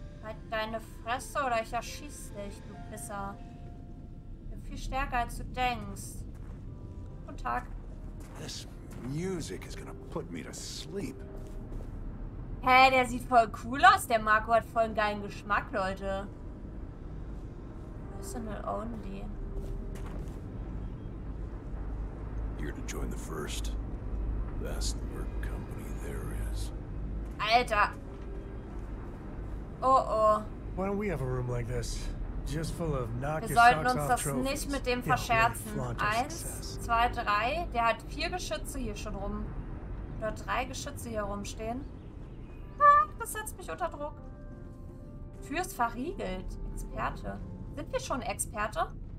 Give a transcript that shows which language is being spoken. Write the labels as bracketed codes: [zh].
[de] Halt deine Fresse oder ich erschieß dich, du Pisser. Ich bin viel stärker als du denkst. Guten Tag. [en] This music is gonna put me to sleep. [de] Hä, hey, der sieht voll cool aus. Der Marco hat voll einen geilen Geschmack, Leute. [en] Personal only. Here to join the first best work company there is. [de] Alter. Oh oh. [en] Why don't we have a room like this? Just full of knock your socks off trophies. [de] Wir sollten uns das nicht mit dem verscherzen. Eins, zwei, drei. Der hat vier Geschütze hier schon rum. Oder drei Geschütze hier rumstehen. Ah, das setzt mich unter Druck. Tür ist verriegelt. Experte. Sind wir schon Experte?